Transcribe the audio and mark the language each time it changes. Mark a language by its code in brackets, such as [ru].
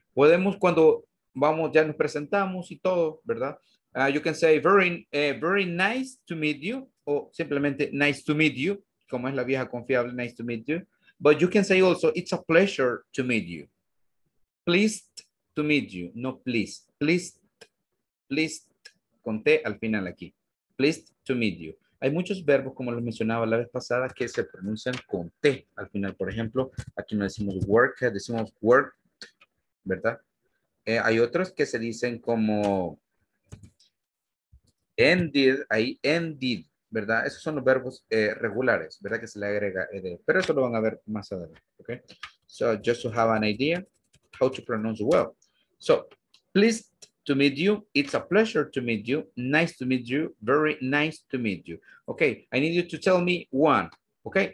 [es] Podemos cuando vamos, ya nos presentamos y todo, ¿verdad? [en] You can say, very nice to meet you. [es] O simplemente, [en] nice to meet you. [es] Como es la vieja confiable, [en] nice to meet you. But you can say also, it's a pleasure to meet you. Pleased to meet you. No, please. Pleased. Pleased, [es] conté al final aquí. [en] Pleased to meet you. [es] Hay muchos verbos, como les mencionaba la vez pasada, que se pronuncian con T al final. Por ejemplo, aquí no decimos work, decimos worked, ¿verdad? Hay otros que se dicen como ended, ahí ended, ¿verdad? Esos son los verbos regulares, ¿verdad? Que se le agrega ED. Pero eso lo van a ver más adelante, ¿ok? [en] So, just to have an idea how to pronounce well. So, pleased to meet you, it's a pleasure to meet you, nice to meet you, very nice to meet you. Okay, I need you to tell me one, okay?